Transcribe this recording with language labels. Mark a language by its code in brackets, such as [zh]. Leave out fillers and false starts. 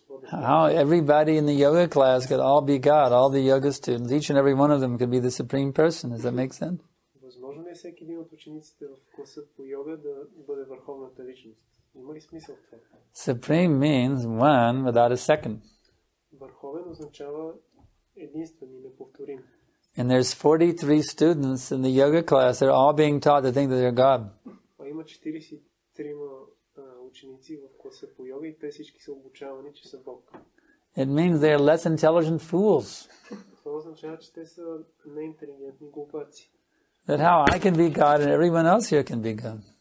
[en] How everybody in the yoga class could all be God, all the yoga students, each and every one of them could be the Supreme Person. Does that make sense? [bg] Възможно ли всеки един от учениците в класа по йога да бъде върховната личност? Има ли смисъл в това? [en] Supreme means one without a second. [bg] Върховен означава единствен и неповторим. [en] And there's 43 students in the yoga class. They're all being taught to think that they're God. [bg] А има 43 ученици в класа по йога и те всички са обучавани, че са Бог. [en] It means they're less intelligent fools. [bg] Това означава, че те са неинтелигентни глупаци. [en] That how I can be God and everyone else here can be God.